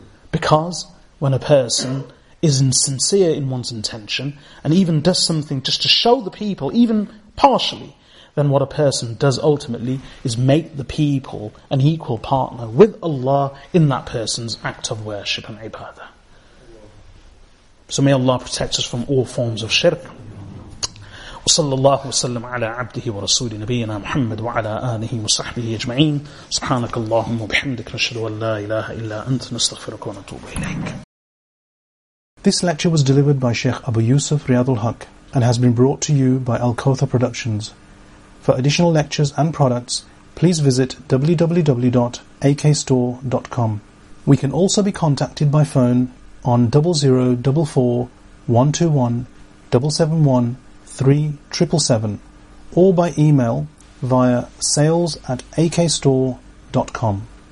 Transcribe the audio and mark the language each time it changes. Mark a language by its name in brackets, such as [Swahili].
[English] Because when a person is insincere in one's intention and even does something just to show the people, even partially, then what a person does ultimately is make the people an equal partner with Allah in that person's act of worship and ibadah. So may Allah protect us from all forms of shirk. [Arabic] وصلى الله وسلم على عبده ورسول نبينا محمد وعلى آله وصحبه أجمعين سبحانك اللهم وبحمدك نشهد أن لا إله إلا أنت نستغفرك ونتوب إليك. [English] This lecture was delivered by Sheikh Abu Yusuf Riyadul Haq and has been brought to you by Al Kawthar Productions. For additional lectures and products, please visit www.akstore.com. We can also be contacted by phone on 0044 121 771 3777 or by email via sales@akstore.com.